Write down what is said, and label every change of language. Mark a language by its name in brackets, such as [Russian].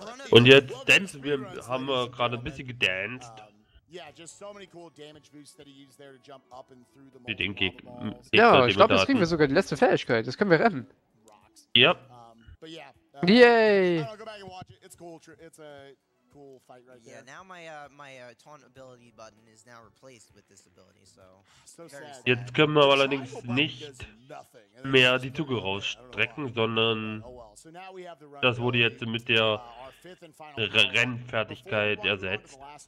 [German] Und jetzt dancen wir, haben wir gerade ein bisschen gedanced. Ja, [English] just so many cool damage boosts that he used there to jump up and through the mall. [German] Ja, ich glaube, das kriegen wir sogar die letzte Fähigkeit, das können wir rennen. [English] Yep. Yay! [German] Jetzt können wir allerdings nicht mehr die Zuge rausstrecken, sondern das wurde jetzt mit der Rennfertigkeit ersetzt.